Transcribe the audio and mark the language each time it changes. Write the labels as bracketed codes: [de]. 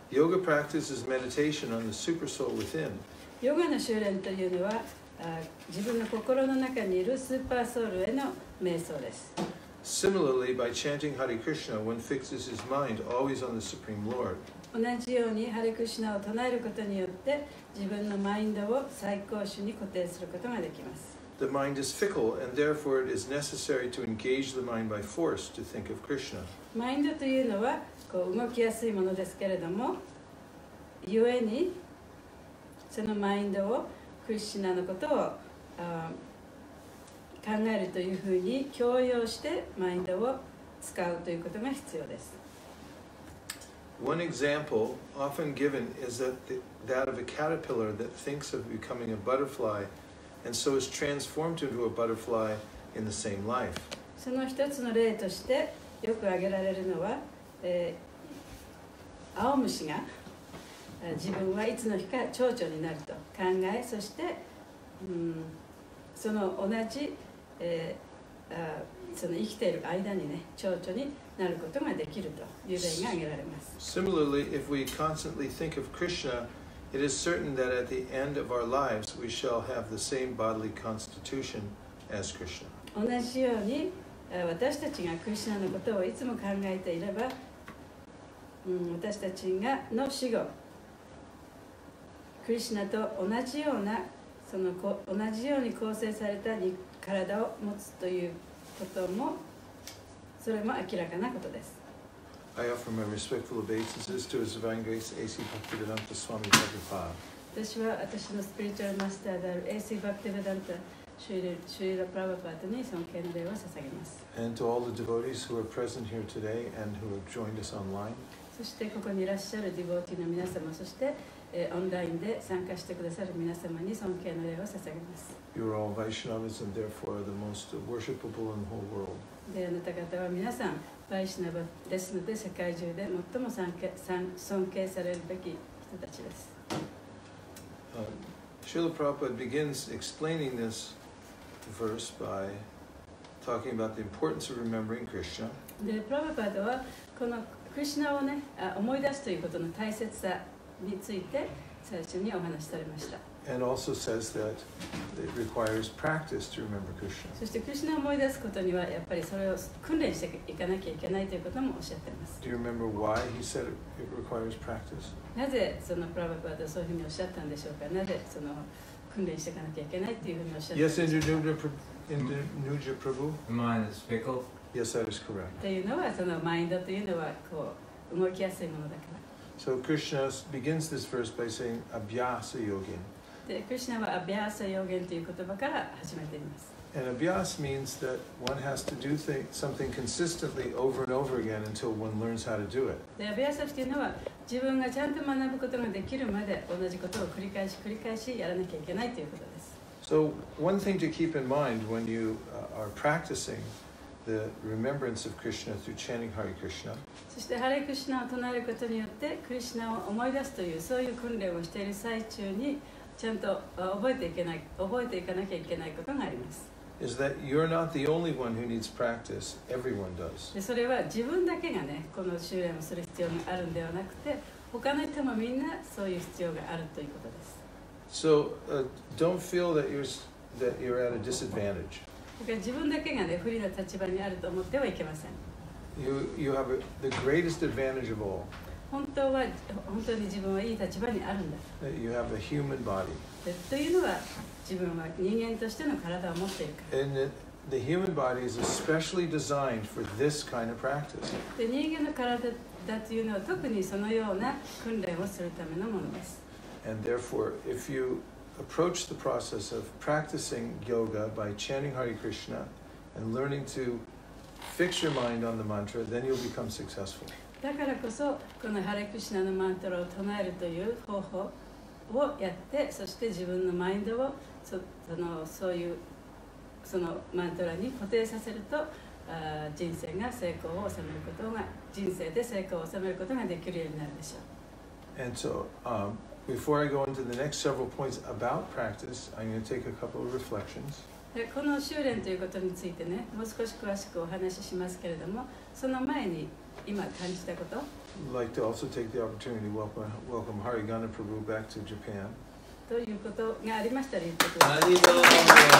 [en] Yoga practice is meditation on the super soul within. [ja] ヨガの修練というのは、自分の心の中にいるスーパーソウルへの瞑想です。 [en] Similarly, by chanting Hare Krishna, one fixes his mind always on the Supreme Lord. [ja] 同じようにハレクリシナを唱えることによって、自分のマインドを最高主に固定することができます。 [en] The mind is fickle, and therefore it is necessary to engage the mind by force to think of Krishna. [ja] マインドというのはこう動きやすいものですけれども、故にそのマインドをクリシナのことを考えるというふうに強要してマインドを使うということが必要です。 [en] One example often given is that of a caterpillar that thinks of becoming a butterfly and so is transformed into a butterfly in the same life. [ja] その一つの例としてよく挙げられるのは、青虫が自分はいつの日か蝶々になると考え、そして、その同じ、その生きている間にね、蝶々になることができるという例が挙げられます。 [en] Similarly, if we constantly think of Krishna, it is certain that at the end of our lives, we shall have the same bodily constitution as Krishna. [ja] 同じように、私たちがクリシナのことをいつも考えていれば、私たちがの死後、クリシナと同じようなその同じように構成された体を持つということもそれも明らかなことです。 [en] I offer my respectful obeisances to His Divine Grace A.C. Bhaktivedanta Swami Prabhupada. [ja] 私は私のスピリチュアルマスターである A.C. Bhaktivedanta Srila Prabhupada にその敬礼を捧げます。 [en] And to all the devotees who are present here today and who have joined us online. [ja] そしてここにいらっしゃるディボーティの皆様、そしてオンラインで参加してくださる皆様に尊敬の礼を捧げます。 [en] You are all Vaishnavas and therefore are the most worshipable in the whole world. [ja] で、あなた方は皆さん Vaishnava ですので世界中で最も尊敬されるべき人たちです。 [en] Srila Prabhupada begins explaining this verse by talking about the importance of remembering Krishna. [ja] で、プラヴァパダはこのクリシナをね、思い出すということの大切さについて最初にお話しされました。 [en] And also says that it requires practice to remember Krishna. [ja] そしてクリシナを思い出すことにはやっぱりそれを訓練していかなきゃいけないということもおっしゃっています。 [en] Do you remember why he said it requires practice? [ja] なぜそのプラヴァパダはそういうふうにおっしゃったんでしょうか。なぜその訓練していかなきゃいけないというふうにおっしゃったんでしょうか。 [en] Yes, in the Nuja Prabhu. Mind is fickle. Yes, that is correct. [ja] というのはそのマインドというのはこう動きやすいものだから。 [en] So Krishna begins this verse by saying Abhyasa Yogin. [ja] Krishna は Abhyasa Yogin という言葉から始めています。 [en] And Abhyas means that one has to do something consistently over and over again until one learns how to do it. [ja] Abhyasa というのは自分がちゃんと学ぶことができるまで同じことを繰り返し繰り返しやらなきゃいけないということです。 [en] So one thing to keep in mind when you are practicing the remembrance of Krishna through chanting Hare Krishna. [ja] そしてハレクリシナを唱えることによってクリシナを思い出すというそういう訓練をしている最中にちゃんと覚えていかなきゃいけないことがあります。 [en] Is that you're not the only one who needs practice? Everyone does. [ja] で、それは自分だけがね、この修練をする必要があるんではなくて、他の人もみんなそういう必要があるということです。 [en] So, don't feel that you're at a disadvantage. [ja] だから自分だけが、ね、不利な立場にあると思ってはいけません。 [en] You have the greatest advantage of all. [ja] 本当に自分はいい立場にあるんだ。 [en] You have a human body. [ja] というのは自分は人間としての体を持っているから。 [en] And the human body is especially designed for this kind of practice. [ja] で、人間の体だというのは特にそのような訓練をするためのものです。 [en] And therefore, if you approach the process of practicing yoga by chanting Hare Krishna and learning to fix your mind on the mantra, then you'll become successful. [ja] だからこそこのハレクシナのマントラを唱えるという方法をやって、そして自分のマインドを そのマントラに固定させると、人生が成功を収めることが人生で成功を収めることができるようになるでしょう。 [en] And so, before I go into the next several points about practice, I'm going to take a couple of reflections. [ja] この修練ということについてね、もう少し詳しくお話ししますけれども、その前に今感じたこと。 [en] I'd like to also take the opportunity to welcome Harigana Prabhu back to Japan. [ja] ということがありましたら言ってください。ありがとうございます。